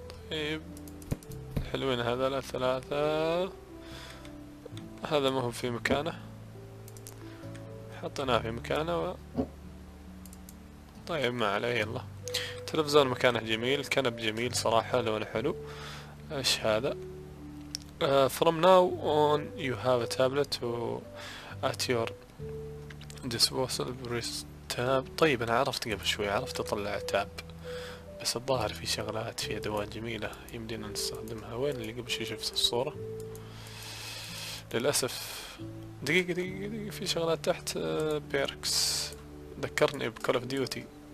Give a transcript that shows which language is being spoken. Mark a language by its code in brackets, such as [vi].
[ar] طيب حلوين هذا الثلاثة، هذا ما هو في مكانه، حطيناه في مكانه و طيب ما عليه. يلا، تلفزيون مكانه جميل، كنب جميل صراحة، لونه حلو. [en] ايش هذا؟ From now on you have a tablet at your disposal. Press tab. [ar] طيب انا عرفت قبل شوي، عرفت اطلع تاب، بس الظاهر في شغلات، في ادوات جميلة يمدينا نستخدمها. وين اللي قبل شوي شفت الصورة؟ للأسف. دقيقة دقيقة دقيقة، في شغلات تحت. بيركس ذكرني بكول اوف ديوتي.